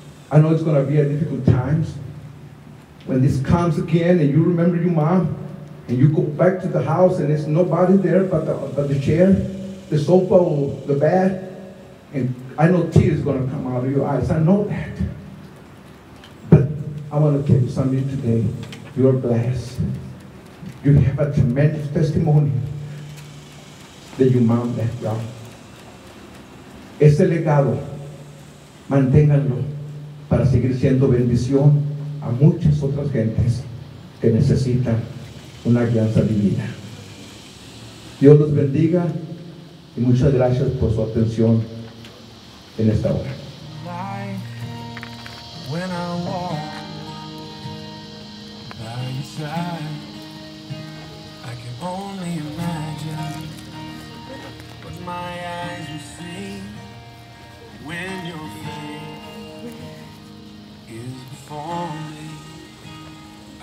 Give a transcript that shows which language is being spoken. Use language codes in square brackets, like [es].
[en] I know it's going to be a difficult times. When this comes again and you remember your mom and you go back to the house and there's nobody there but the chair, the sofa or the bed, and I know tears are going to come out of your eyes. I know that. I want to tell you something today. You are blessed. You have a tremendous testimony that your mom left y'all. [es] Ese legado, manténganlo para seguir siendo bendición a muchas otras gentes que necesitan una guianza divina. Dios los bendiga y muchas gracias por su atención en esta hora. [en] When I walk by your side, I can only imagine what my eyes will see when your face is before me.